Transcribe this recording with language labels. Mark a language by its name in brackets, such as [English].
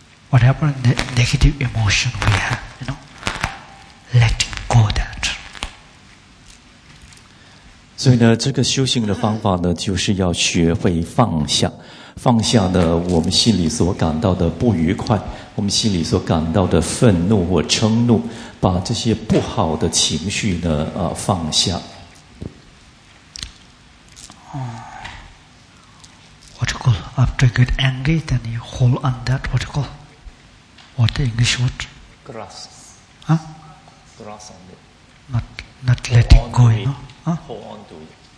[English] Whatever negative emotion we have, you know, letting go that. [Chinese] 所以呢，这个修行的方法呢，就是要学会放下，放下呢我们心里所感到的不愉快，我们心里所感到的愤怒或嗔怒，把这些不好的情绪呢放下。 [English] What do you call after get angry, then you hold on that. What do you call? What the English word? Grasp. Grasp on it. Not letting go. It. No? Hold on to it.